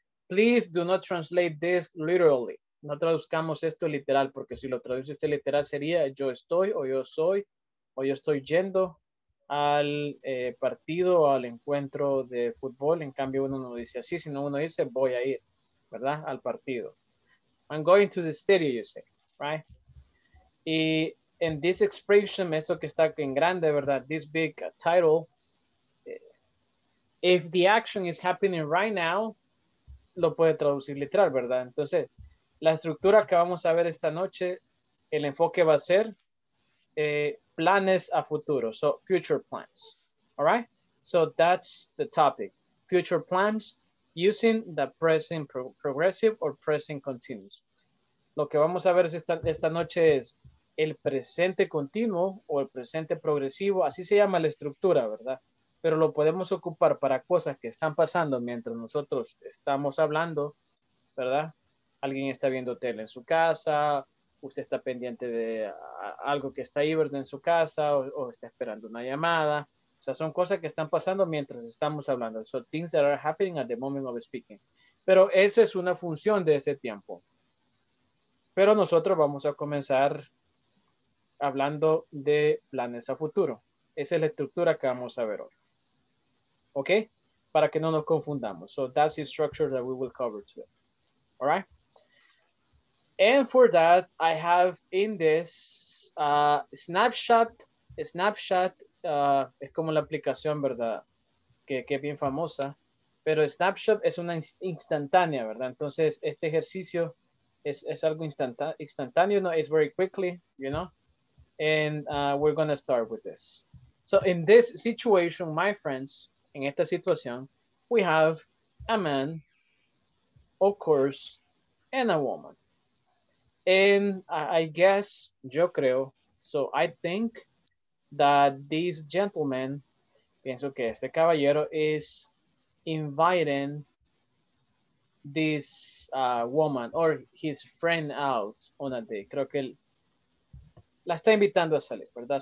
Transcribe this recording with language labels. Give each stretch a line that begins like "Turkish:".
English: Please do not translate this literally.
Spanish: No traduzcamos esto literal, porque si lo traduce usted literal sería yo estoy o yo soy o yo estoy yendo al partido o al encuentro de fútbol. En cambio, uno no dice así, sino uno dice voy a ir, ¿verdad? Al partido.
English: I'm going to the stadium, you say, right?
Spanish: Y en
English: this expression,
Spanish: esto que está en grande, ¿verdad?
English: This big title. If the action is happening right now,
Spanish: lo puede traducir literal, ¿verdad? Entonces, la estructura que vamos a ver esta noche, el enfoque va a ser planes a futuro.
English: So, future plans. All right? So, that's the topic. Future plans using the present progressive or present continuous.
Spanish: Lo que vamos a ver esta noche es el presente continuo o el presente progresivo. Así se llama la estructura, ¿verdad? pero lo podemos ocupar para cosas que están pasando mientras nosotros estamos hablando, ¿verdad? Alguien está viendo tele en su casa, usted está pendiente de algo que está ahí, ¿verdad? En su casa, o está esperando una llamada. O sea, son cosas que están pasando mientras estamos hablando.
English: So, things that are happening at the moment of speaking.
Spanish: Pero esa es una función de este tiempo. Pero nosotros vamos a comenzar hablando de planes a futuro. Esa es la estructura que vamos a ver hoy. ¿Ok? Para que no nos confundamos.
English: So, that's the structure that we will cover today. All right? And for that, I have in this snapshot.
Spanish: Snapshot es como la aplicación, ¿verdad? Que es bien famosa. Pero snapshot es una instantánea, ¿verdad? Entonces, este ejercicio es algo instantáneo, ¿no?
English: It's very quickly, you know? And we're going to start with this. So in this situation, my friends,
Spanish: en esta situación,
English: we have a man, of course, and a woman. And I guess,
Spanish: yo creo,
English: so I think that this gentleman,
Spanish: pienso que este caballero,
English: is inviting this woman or his friend out on a date.
Spanish: Creo que la está invitando a salir, ¿verdad?